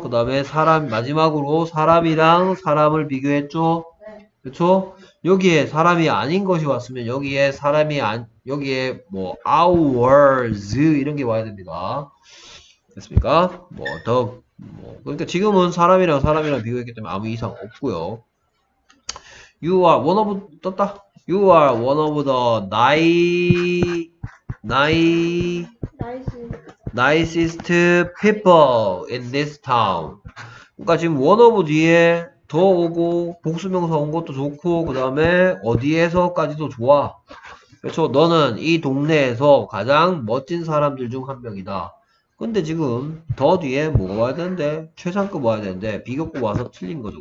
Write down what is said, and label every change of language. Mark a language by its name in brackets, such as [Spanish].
[Korean] 그 다음에 사람, 마지막으로 사람이랑 사람을 비교했죠? 그쵸? 여기에 사람이 아닌 것이 왔으면, 여기에 사람이 안, 여기에 뭐 ours 이런 게 와야 됩니다. 됐습니까? 뭐 더 뭐 그러니까 지금은 사람이랑 사람이랑 비교했기 때문에 아무 이상 없고요. [English] You are one of [Korean] 떴다. [English] You are one of the nicest people in this town. [Korean] 그러니까 지금 one of 뒤에 더 오고 복수명사 온 것도 좋고 그다음에 어디에서까지도 좋아. 그렇죠. 너는 이 동네에서 가장 멋진 사람들 중 한 명이다. 근데 지금 더 뒤에 뭐가 와야 되는데? 최상급 와야 되는데 비교급 와서 틀린 거죠.